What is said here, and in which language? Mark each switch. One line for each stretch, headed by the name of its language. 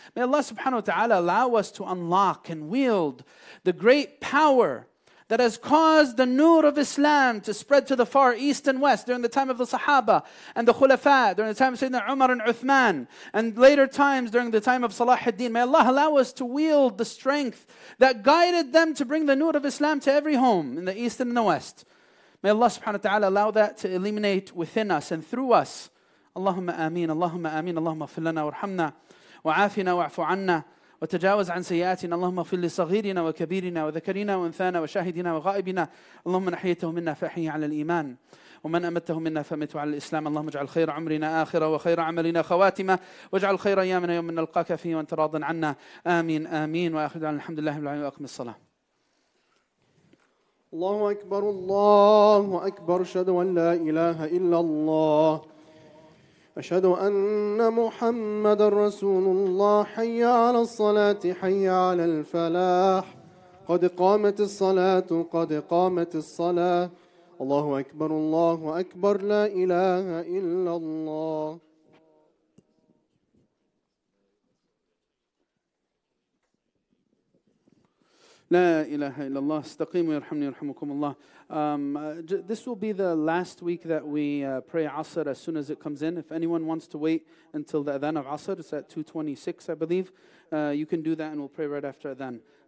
English: May Allah subhanahu wa ta'ala allow us to unlock and wield the great power that has caused the nur of Islam to spread to the far east and west during the time of the Sahaba and the Khulafa, during the time of Sayyidina Umar and Uthman, and later times during the time of Salah al-Din. May Allah allow us to wield the strength that guided them to bring the nur of Islam to every home in the east and in the west. May Allah subhanahu wa ta'ala allow that to illuminate within us and through us.
Arabic: اللهم آمين اللهم آمين اللهم اغفر لنا وارحمنا وعافنا واعف عنا وتجاوز عن سيئاتنا اللهم اغفر لصغيرنا وكبيرنا وذكرنا وانثانا وشاهدنا وغائبنا اللهم من احييته منا فاحيه على الايمان ومن امته منا فمته على الاسلام اللهم اجعل خير عمرنا اخره وخير عملنا خواتمه واجعل خير ايامنا يوم نلقاك فيه وانت راض عنا امين امين واخر دعوانا الحمد لله رب العالمين واقم الصلاه الله اكبر الله اكبر اشهد ان لا اله الا الله أشهد أن محمد رسول الله حي على الصلاة حي على الفلاح قد قامت الصلاة قد قامت الصلاة الله أكبر الله أكبر لا إله إلا الله لا إله إلا الله استقيموا يرحمني يرحمكم الله.
English: This will be the last week that we pray Asr as soon as it comes in. If anyone wants to wait until the Adhan of Asr, it's at 2:26, I believe. You can do that and we'll pray right after Adhan.